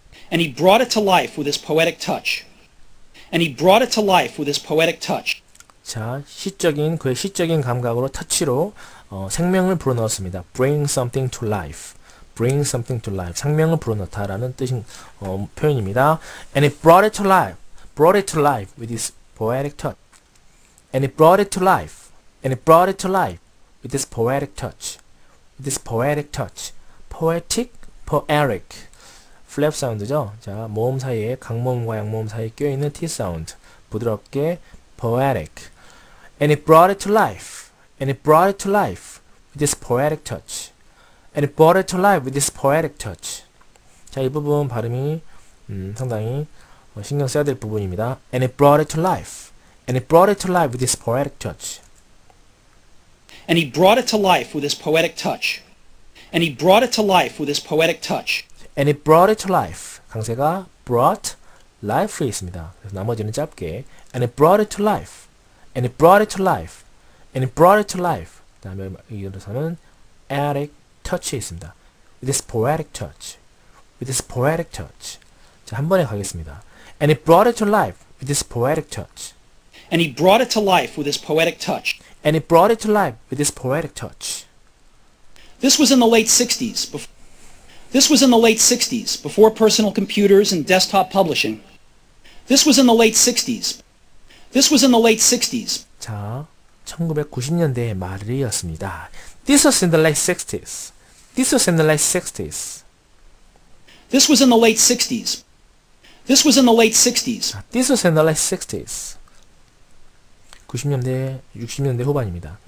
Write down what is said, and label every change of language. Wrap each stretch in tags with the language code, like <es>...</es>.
<en>And he brought it to life with his poetic touch. And he brought it to life with his poetic touch.</en> <ko>자, 시적인, 그의 시적인 감각으로, 터치로, 생명을 불어넣었습니다.</ko> <en>Bring something to life. Bring something to life.</en> <ko>생명을 불어넣다라는 뜻인, 표현입니다.</ko> <en>And it brought it to life. Brought it to life with his poetic touch. And it brought it to life. And it brought it to life with his poetic touch. With his poetic touch. Poetic, poetic. Flap 사운드죠.</en> <ko>자, 모음 사이에, 강모음과 양모음 사이에 껴있는 T 사운드. 부드럽게,</ko> <en>poetic. And it brought it to life. And it brought it to life with his poetic touch. And it brought it to life with this poetic touch.</en> <ko>자, 이 부분 발음이 상당히 신경 써야 될 부분입니다.</ko> <en>And it brought it to life. And it brought it to life with this poetic touch. And he brought it to life with this poetic touch. And he brought it to life with this poetic touch. And it brought it to life. 강세가 brought life 있습니다.</en> <ko>그래서 나머지는 짧게.</ko> <en>And it brought it to life. And it brought it to life. And it brought it to life.</en> <ko>다음에 이어서는</ko> <en>attic.</en> <ko>터치에 있습니다.</ko> <en>With this poetic touch. With this poetic touch. 자,</en> <ko>한 번에 가겠습니다.</ko> <en>And it brought it to life with this poetic touch. And he brought it to life with this poetic touch. And he brought it to life with this poetic touch. This was in the late 60s. This was in the late 60s before personal computers and desktop publishing. This was in the late 60s. This was in the late 60s.</en> <ko>자, 1990년대의 말이었습니다.</ko> <en>This was in the late 60s. This was in the late 60s. This was in the late 60s. This was in the late 60s. This was in the late 60s.</en> <ko>90년대, 60년대 후반입니다.</ko>